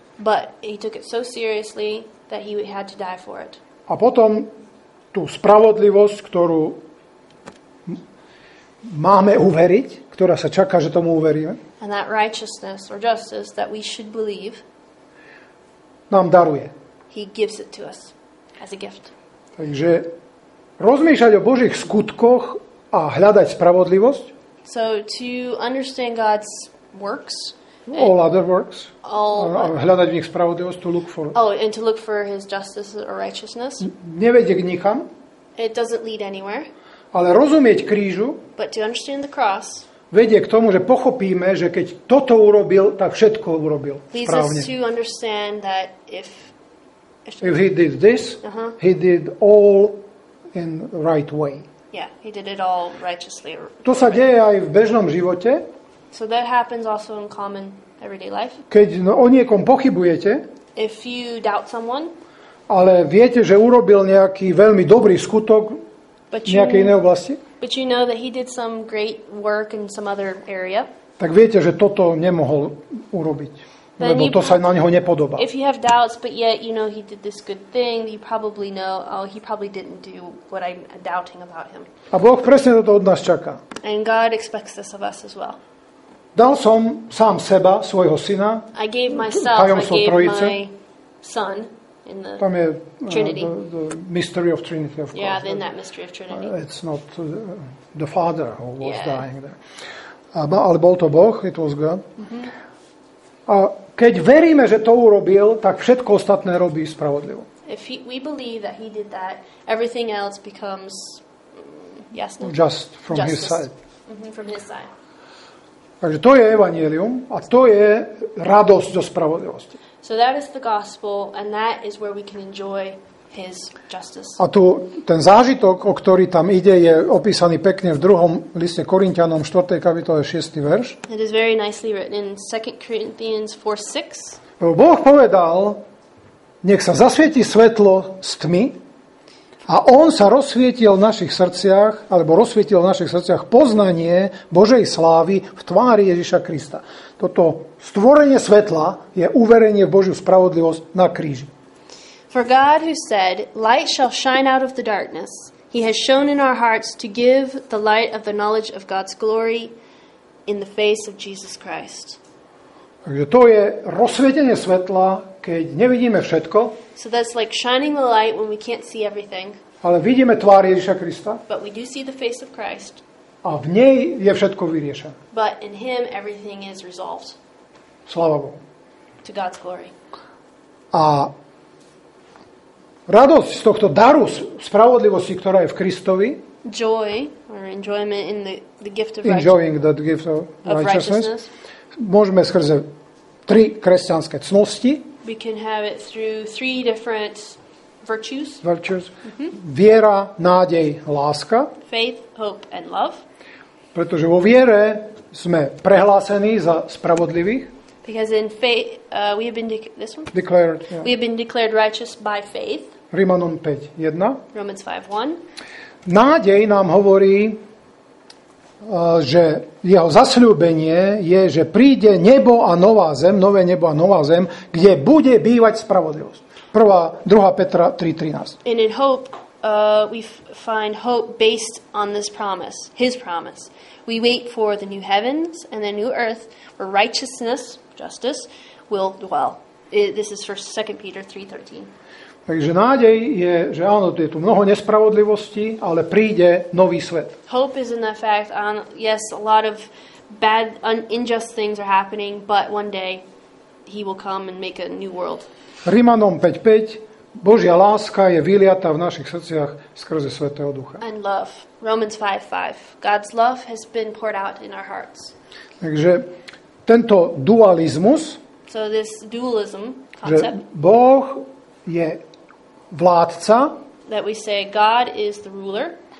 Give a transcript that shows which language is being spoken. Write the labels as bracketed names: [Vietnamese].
[English] But he took it so seriously that he had to die for it. [Slovak] A potom tú spravodlivosť, ktorú máme uveriť, ktorá sa čaká, že tomu uveríme. [English] And that righteousness or justice that we should believe, [Slovak] nám daruje. [English] He gives it to us as a gift. [Slovak] Takže rozmýšľať o Božích skutkoch a hľadať spravodlivosť. [English] So to understand God's works, all other works, [Slovak] a hľadať v nich spravodlivosť, [English] to look for his justice or righteousness. [Slovak] Nevedie k nikam. [English] It doesn't lead anywhere. [Slovak] Ale rozumieť krížu, [English] but to understand the cross, [Slovak] vedie k tomu, že pochopíme, že keď toto urobil, tak všetko urobil správne. [English] Leads us to understand that if he did this, he did all in right way. Yeah, he did it all righteously. [Slovak] To sa deje aj v bežnom živote. [English] So that happens also in common everyday life. [Slovak] Keď o niekom pochybujete, [English] if you doubt someone, [Slovak] ale viete, že urobil nejaký veľmi dobrý skutok v nejakej inej oblasti, [English] but you know that he did some great work in some other area, [Slovak] tak viete, že toto nemohol urobiť, lebo to sa na neho nepodobá. [English] If you have doubts, but yet you know he did this good thing, you probably know, oh, he probably didn't do what I'm doubting about him. [Slovak] A Boh presne toto od nás čaká. [English] And God expects this of us as well. [Slovak] Dal som sám seba, svojho syna, [English] I gave myself, [Slovak] tajomstvo Trojice. [English] My son in the [Slovak] tam je [English] Trinity. The mystery of Trinity, of course. Yeah, in that mystery of Trinity. It's not the Father who was dying there. [Slovak] Ale bol to Boh, [English] it was God. [Slovak] A keď veríme, že to urobil, tak všetko ostatné robí spravodlivo. [English] If he, we believe that he did that, everything else becomes yes, just from his side. Mm-hmm, from his side. [Slovak] Takže to je evanjelium a to je radosť zo spravodlivosti. [English] So that is the gospel and that is where we can enjoy his justice. [Slovak] A tu ten zážitok, o ktorý tam ide, je opísaný pekne v 2. liste Korintianom 4. kapitole 6. verš. [English] It is very nicely written in 2 Corinthians 4:6. [Slovak] Boh povedal, nech sa zasvieti svetlo z tmy a on sa rozsvietil v našich srdciach, alebo rozsvietil v našich srdciach poznanie Božej slávy v tvári Ježiša Krista. Toto stvorenie svetla je uverenie v Božiu spravodlivosť na kríži. [English] For God who said, light shall shine out of the darkness, he has shown in our hearts to give the light of the knowledge of God's glory in the face of Jesus Christ. [Slovak] Takže to je rozsvietenie svetla, keď nevidíme všetko. [English] So that's like shining the light when we can't see everything. [Slovak] Ale vidíme tvár Ježiša Krista. [English] But we do see the face of Christ. [Slovak] A v nej je všetko vyriešené. [English] But in him everything is resolved. [Slovak] Sláva Bohu. [English] To God's glory. [Slovak] A radosť z tohto daru spravodlivosti, ktorá je v Kristovi. [English] Joy or enjoyment in the gift of enjoying that gift of righteousness. [Slovak] Môžeme skrze tri kresťanské cnosti. [English] We can have it through three different virtues. [Slovak] Virtues. Mm-hmm. Viera, nádej, láska. [English] Faith, hope and love. [Slovak] Pretože vo viere sme prehlásení za spravodlivých. [English] Because in faith we have been this one? Declared. Yeah. We have been declared righteous by faith. [Slovak] Rimanom 5:1. [English] Romans 5:1. [Slovak] Nádej nám hovorí, že jeho zasľúbenie je, že príde nebo a nová zem, nové nebo a nová zem, kde bude bývať spravodlivosť. 2. Petra 3:13. [English] And in hope, we find hope based on this promise, his promise. We wait for the new heavens and the new earth where righteousness, justice, will dwell. This is for 2 Peter 3:13. [Slovak] Takže nádej je, že áno, je tu mnoho nespravodlivosti, ale príde nový svet. [English] Hope is in the fact, yes, a lot of bad, unjust things are happening, but one day he will come and make a new world. [Slovak] Rimanom 5:5, Božia láska je vyliata v našich srdciach skrze Svätého Ducha. [English] And love, Romans 5:5, God's love has been poured out in our hearts. [Slovak] Takže tento dualizmus, [English] so this dualism concept, [Slovak] že Boh je vládca, [English] that we say God is the ruler,